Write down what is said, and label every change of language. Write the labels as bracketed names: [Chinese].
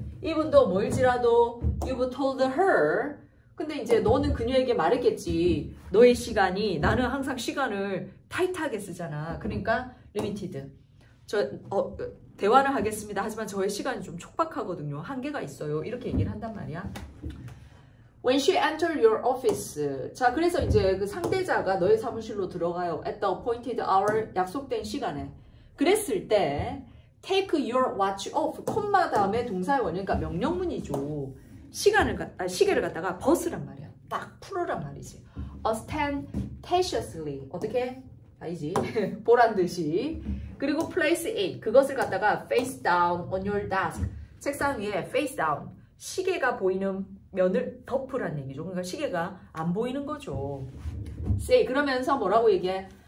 [Korean] 이분도 뭘지라도 [English] you've told her. [Korean] 근데 이제 너는 그녀에게 말했겠지. 너의 시간이. 나는 항상 시간을 타이트하게 쓰잖아. 그러니까 limited. 저 대화는 하겠습니다. 하지만 저의 시간이 좀 촉박하거든요. 한계가 있어요. 이렇게 얘기를 한단 말이야. [English] When she entered your office. [Korean] 자, 그래서 이제 그 상대자가 너의 사무실로 들어가요. [English] At the appointed hour, [Korean] 약속된 시간에. 그랬을 때 [English] take your watch off, [Korean] 콤마 다음에 동사의 원형이니까 명령문이죠. 시간을 시계를 갖다가 벗으란 말이야. 딱 풀어란 말이지. Ostentatiously. 어떻게? 아니지. 보란 듯이. [English] 그리고 place it. [Korean] 그것을 갖다가 [English] face down on your desk. [Korean] 책상 위에 face down. 시계가 보이는 면을 덮으란 얘기죠. 그러니까 시계가 안 보이는 거죠. [English] Say. [Korean] 그러면서 뭐라고 얘기해?